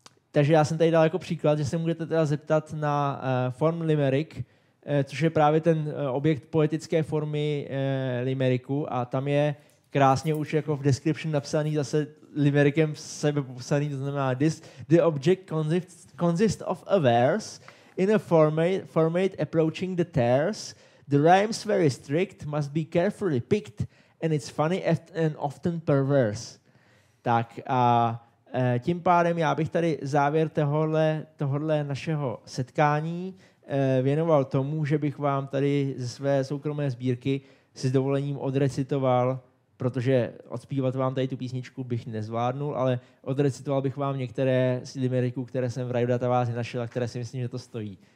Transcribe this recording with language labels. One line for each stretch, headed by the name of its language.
Czech: Takže já jsem tady dal jako příklad, že se můžete teda zeptat na form limerick, což je právě ten objekt poetické formy limericku a tam je krásně už jako v description napsaný zase limerickem sebe popsaný, to znamená
English: the object consists of a verse in a format approaching the terse. The rhyme's very strict, must be carefully picked and it's funny and often perverse.
Czech: Tak a tím pádem já bych tady závěr tohohle našeho setkání věnoval tomu, že bych vám tady ze své soukromé sbírky si s dovolením odrecitoval, protože odspívat vám tady tu písničku bych nezvládnul, ale odrecitoval bych vám některé z limericků, které jsem v RIPE databázi našel a které si myslím, že to stojí.